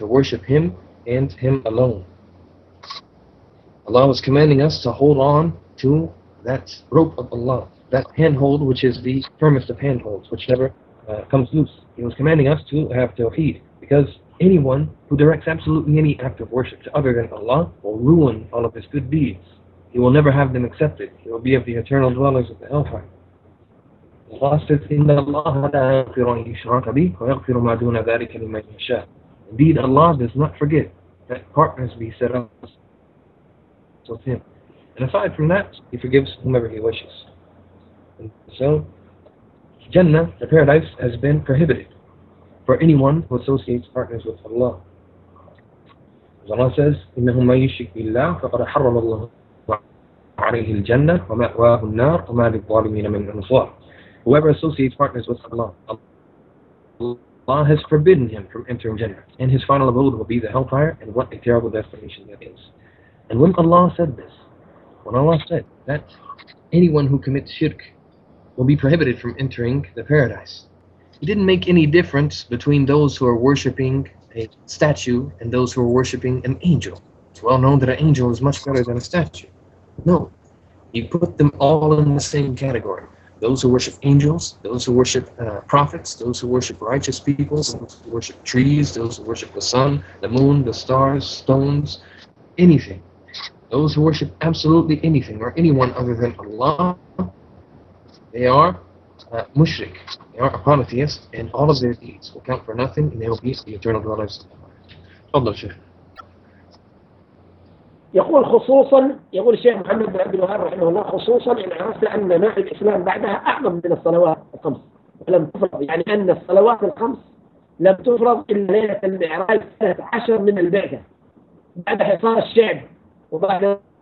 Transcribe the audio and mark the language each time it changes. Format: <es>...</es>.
<en>to worship Him and Him alone. Allah was commanding us to hold on to that rope of Allah, that handhold which is the firmest of handholds, which never comes loose. He was commanding us to have tawheed, because anyone who directs absolutely any act of worship to other than Allah will ruin all of his good deeds. He will never have them accepted. He will be of the eternal dwellers of the hellfire. Allah says,</en> <ar>إِنَّ اللَّهَ لَا يَغْفِرُ أَنْ يُشْرَكَ بِهِ وَيَغْفِرُ مَا دُونَ ذَٰلِكَ لِمَنْ يَشَاءُ.</ar> <en>Indeed, Allah does not forget that partners be set up with Him. And aside from that, He forgives whomever He wishes. And so, Jannah, the paradise, has been prohibited for anyone who associates partners with Allah. As Allah says,</en> <ar>إِنَّهُمْ مَنْ يُشْرِكْ بِاللَّهِ فَقَدْ حَرَّمَ اللَّهُ عَلَيْهِ الْجَنَّةِ وَمَأْوَاهُ النَّارِ وَمَا لِلظَّالِمِينَ مِنْ أَنْصَارِ.</ar> <en>Whoever associates partners with Allah, Allah has forbidden him from entering Jannah, and his final abode will be the hellfire, and what a terrible destination that is. And when Allah said this, when Allah said that anyone who commits shirk will be prohibited from entering the paradise, He didn't make any difference between those who are worshipping a statue and those who are worshipping an angel. It's well known that an angel is much better than a statue. No, He put them all in the same category. Those who worship angels, those who worship prophets, those who worship righteous people, those who worship trees, those who worship the sun, the moon, the stars, stones, anything. Those who worship absolutely anything or anyone other than Allah, they are mushrik, they are a polytheist, and all of their deeds will count for nothing, and they will be the eternal dwellers of Allah. Allah, Shaykh.</en> <ar>يقول خصوصا يقول الشيخ محمد بن عبد الوهاب رحمه الله خصوصا إن عرفت أن ما في الإسلام بعدها أعظم من الصلوات الخمس لم تفرض يعني أن الصلوات الخمس لم تفرض إلا ليلة المعراج 13 من البعثة بعد حصار الشعب وبعد</ar>